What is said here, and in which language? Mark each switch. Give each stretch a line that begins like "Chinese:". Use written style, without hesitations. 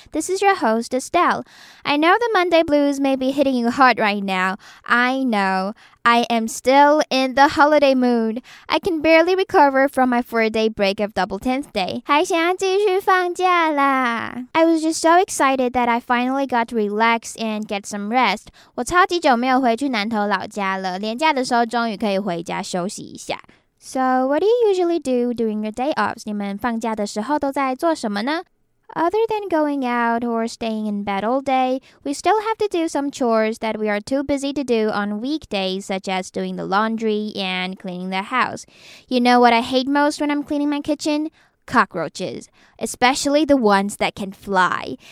English: This is your host, Estelle. I know the Monday blues may be hitting you hard right now. I know. I am still in the holiday mood. I can barely recover from my 4-day break of double 10th day.
Chinese: 还想继续放假啦。
English: I was just so excited that I finally got to relax and get some rest.
Chinese: 我超级久没有回去南投老家了，连假的时候终于可以回家休息一下。
English: So, what do you usually do during your day offs?
Chinese: 你们放假的时候都在做什么呢?
English: Other than going out or staying in bed all day, we still have to do some chores that we are too busy to do on weekdays, such as doing the laundry and cleaning the house. You know what I hate most when I'm cleaning my kitchen? Cockroaches, especially the ones that can fly.